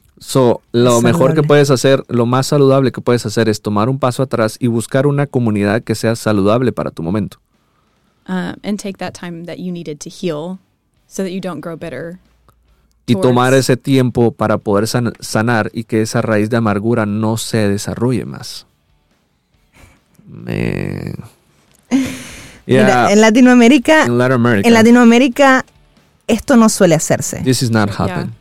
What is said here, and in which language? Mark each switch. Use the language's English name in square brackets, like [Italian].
[Spanish] So lo mejor que puedes hacer, lo más saludable que puedes hacer es tomar un paso atrás y buscar una comunidad que sea saludable para tu momento. [English] And take that time that you needed to heal so that you don't grow bitter. [Spanish] Y tomar ese tiempo para poder sanar y que esa raíz de amargura no se desarrolle más. [English] Man. [Spanish] Yeah. Mira, en Latinoamérica esto no suele hacerse. [English] This is not happen.